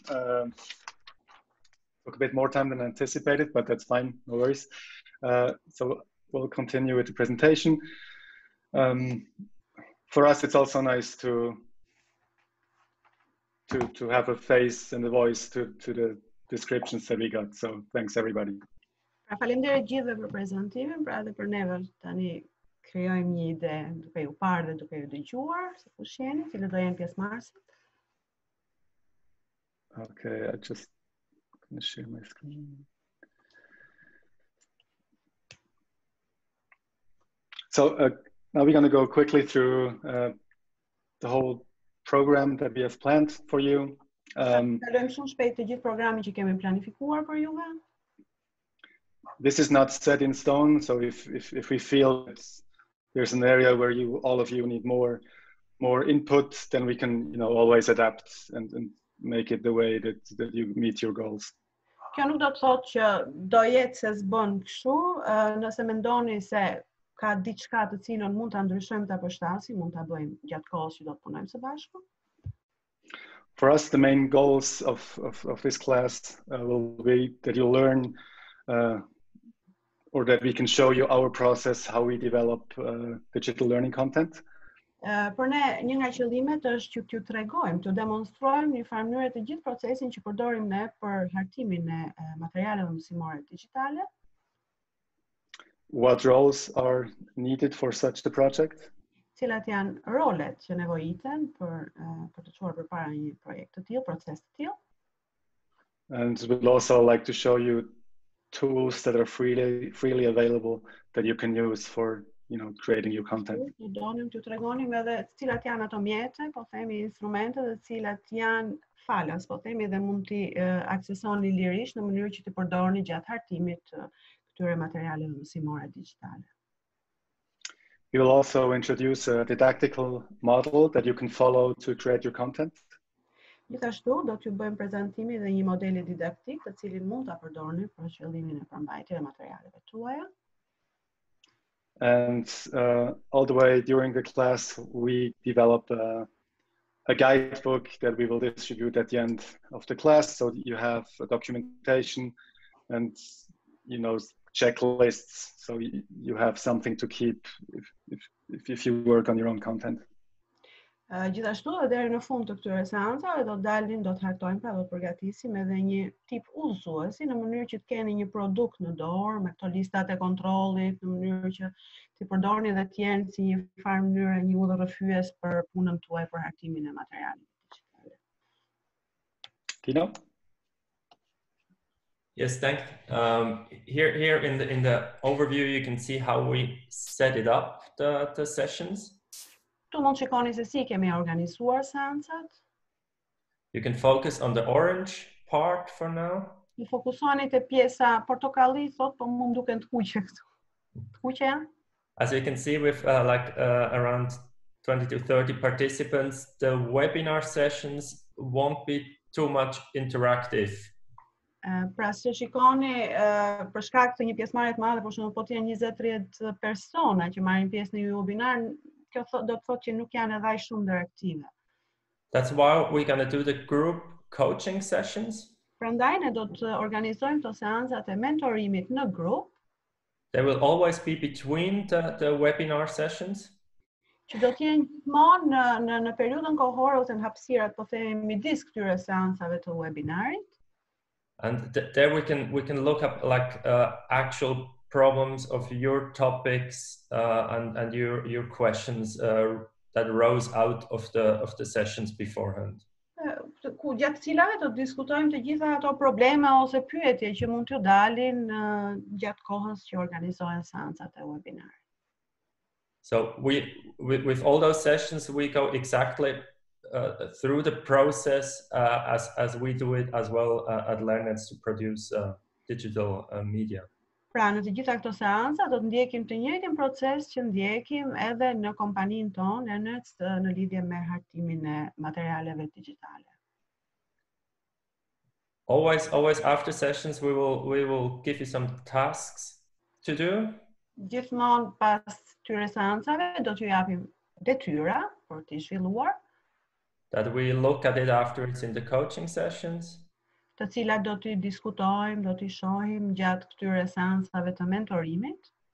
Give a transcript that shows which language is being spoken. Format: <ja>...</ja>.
<en>Took a bit more time than anticipated, but that's fine, no worries. So we'll continue with the presentation. For us, it's also nice to have a face and a voice to the descriptions that we got. So thanks everybody.</en> <sq>Faleminderit gjithëve për prezantimin, pra edhe për neve tani krijojmë një ide duke ju parë dhe duke ju dëgjuar, se kush jeni, cili do jeni pjesëmarrësit.</sq> <en>Okay, I just gonna share my screen. So now we're gonna go quickly through the whole program that we have planned for you.</en> <sq>Kalojmë shumë shpejt të gjithë programin që kemi planifikuar për juve.</sq> <en>This is not set in stone, so if we feel there's an area where you all of you need more input, then we can, you know, always adapt and make it the way that you meet your goals.</en> <sq>Kjo nuk do të thotë që do jetë se s'bën kështu, nëse mendoni se ka diçka të cilën mund ta ndryshojmë ta përshtasim, mund ta bëjmë gjatë kohës që do të punojmë së bashku.</sq> <en>For us, the main goals of this class will be that you learn or that we can show you our process, how we develop digital learning content.</en> <sq>Për ne, një nga qëllimet është që t'ju tregojmë, t'ju demonstrojmë një farë mënyre të gjithë procesin që përdorim ne për hartimin e materialeve mësimore digjitale.</sq> <en>What roles are needed for such a project?</en> <sq>Cilat janë rolet që nevojiten për të çuar përpara një projekt të tillë, proces të tillë.</sq> <en>And we'd also like to show you tools that are freely available that you can use for, you know, creating your content.</en> <sq>Ne donim t'ju tregonim edhe cilat janë ato mjete, po themi instrumente dhe cilat janë falas, po themi dhe mund t'i aksesoni lirisht në mënyrë që t'i përdorni gjatë hartimit këtyre materialeve mësimore digjitale.</sq> <en>We will also introduce a didactical model that you can follow to create your content.</en> <sq>Gjithashtu do t'ju bëjmë prezantimin dhe një modeli didaktik të cilin mund ta përdorni për qëllimin e përmbajtjes së materialeve tuaja.</sq> <en>And all the way during the class we developed a guidebook that we will distribute at the end of the class, so you have a documentation and, you know, checklists, so you have something to keep if you work on your own content.</en> <sq>Gjithashtu edhe deri në fund të këtyre seancave do dalin, do të hartojmë, pra do të përgatisim edhe një tip udhëzuesi në mënyrë që të keni një produkt në dorë me këto listat e kontrollit, në mënyrë që ti përdorni dhe të jeni si një farë mënyrë një udhërrëfyes për punën tuaj për hartimin e materialit. Kino?</sq> <en>Yes, thank you. Here in the overview you can see how we set it up the sessions.</en> <sq>Tu mund shikoni se si kemi organizuar seancat.</sq> <en>You can focus on the orange part for now.</en> <sq>Ju fokusoni te pjesa portokalli sot, po mu duken të kuqe këtu. Të kuqe janë?</sq> <en>As you can see with around 20 to 30 participants, the webinar sessions won't be too much interactive.</en> <sq>Pra se shikoni, për shkak të një pjesëmarrje të madhe, por shumë po të jenë 20-30 persona që marrin pjesë në një webinar, kjo do të thotë që nuk janë edhe shumë direktive.</sq> <en>That's why we're going to do the group coaching sessions.</en> <sq>Prandaj ne do të organizojmë këto seancat e mentorimit në grup.</sq> <en>They will always be between the webinar sessions.</en> <sq>Që do të jenë gjithmonë në periudhën kohore ose në hapësirat, po themi midis këtyre seancave të webinarit.</sq> <en>And there we can look up like actual problems of your topics and your questions that rose out of the sessions beforehand.</en> <sq>Ku gjatë cilave do diskutojmë të gjitha ato probleme ose pyetje që mund t'ju dalin gjatë kohës që organizohen seancat e webinarit.</sq> <en>So with all those sessions we go exactly through the process as we do it as well at LearnNets to produce digital media.</en> <sq>Pra në të gjitha këto seanca do të ndjekim të njëjtin proces që ndjekim edhe në kompaninë tonë LearnNets në lidhje me hartimin e materialeve digjitale.</sq> <en>Always after sessions we will give you some tasks to do.</en> <sq>Gjithmonë pas tyre seancave do t'ju japim detyra për të zhvilluar.</sq> <en>That we look at it afterwards in the coaching sessions.</en> <sq>Të cilat do t'i diskutojmë, do t'i shohim gjatë këtyre seancave të mentorimit.</sq>